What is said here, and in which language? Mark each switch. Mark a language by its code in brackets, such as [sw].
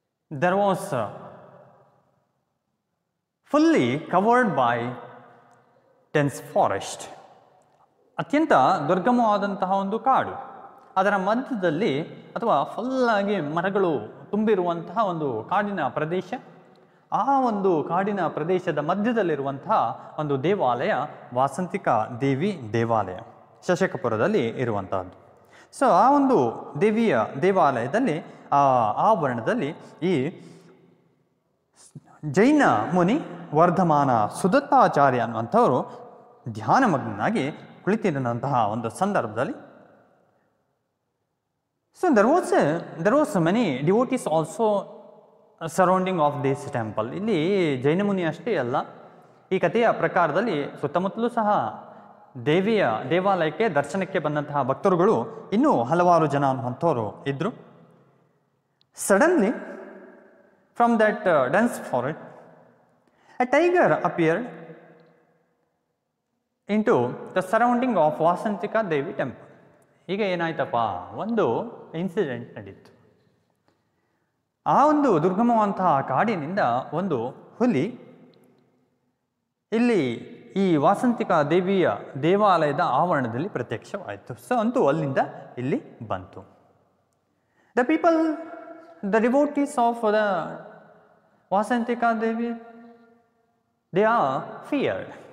[en] There was fully covered by dense forest. [kn] ಅತ್ಯಂತ ದುರ್ಗಮವಾದಂತಹ ಒಂದು ಕಾಡು, ಅದರ ಮಧ್ಯದಲ್ಲಿ ಅಥವಾ ಫುಲ್ಲಾಗಿ ಮರಗಳು ತುಂಬಿರುವಂತಹ ಒಂದು ಕಾಡಿನ ಪ್ರದೇಶ. ಆ ಒಂದು ಕಾಡಿನ ಪ್ರದೇಶದ ಮಧ್ಯದಲ್ಲಿರುವಂತಹ ಒಂದು ದೇವಾಲಯ ವಾಸಂತಿಕಾ ದೇವಿ ದೇವಾಲಯ ಶಶಕಪುರದಲ್ಲಿ ಇರುವಂತಹದ್ದು. ಸೊ ಆ ಒಂದು ದೇವಿಯ ದೇವಾಲಯದಲ್ಲಿ ಆವರಣದಲ್ಲಿ ಈ ಜೈನ ಮುನಿ ವರ್ಧಮಾನ ಸುದತ್ತಾಚಾರ್ಯ ಅನ್ನುವಂಥವರು ಧ್ಯಾನಮಗ್ನಾಗಿ ಕುಳಿತಿದ್ದಂತಹ ಒಂದು ಸಂದರ್ಭದಲ್ಲಿ [en] So there was many devotees also surrounding of this temple. [kn] ಇಲ್ಲಿ ಜೈನ ಮುನಿ ಅಷ್ಟೇ ಅಲ್ಲ, ಈ ಕಥೆಯ ಪ್ರಕಾರದಲ್ಲಿ ಸುತ್ತಮುತ್ತಲೂ ಸಹ ದೇವಿಯ ದೇವಾಲಯಕ್ಕೆ ದರ್ಶನಕ್ಕೆ ಬಂದಂತಹ ಭಕ್ತರುಗಳು ಇನ್ನೂ ಹಲವಾರು ಜನ ಅನ್ನುವಂಥವರು ಇದ್ದರು. [en] Suddenly from that dense forest a tiger appeared into the surrounding of Vasantika Devi temple. [kn] ಈಗ ಏನಾಯ್ತಪ್ಪ, ಒಂದು ಇನ್ಸಿಡೆಂಟ್ ನಡೀತು. ಆ ಒಂದು ದುರ್ಗಮವಂತಹ ಕಾಡಿನಿಂದ ಒಂದು ಹುಲಿ ಇಲ್ಲಿ ಈ ವಾಸಂತಿಕಾ ದೇವಿಯ ದೇವಾಲಯದ ಆವರಣದಲ್ಲಿ ಪ್ರತ್ಯಕ್ಷವಾಯಿತು. ಸೊ ಅಂತೂ ಅಲ್ಲಿಂದ ಇಲ್ಲಿ ಬಂತು. [en] The people the devotees of the Vasantika Devi they are feared.